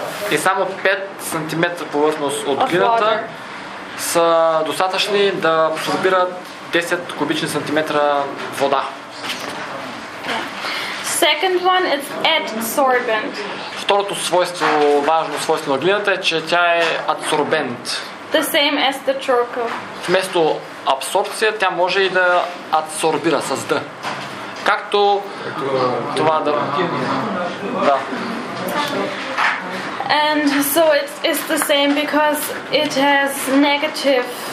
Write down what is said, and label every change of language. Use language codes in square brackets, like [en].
[bg] И само 5 сантиметра повърхност от глината са достатъчни да абсорбират 10 кубични сантиметра вода. [en] Second one is adsorbent. [bg] Второто свойство, важно свойство на глината е, че тя е адсорбент. [en] The same as the charcoal. [bg] Вместо абсорбция, тя може и да адсорбира с D. както това да... Да. [en] And so it's the same because it has negative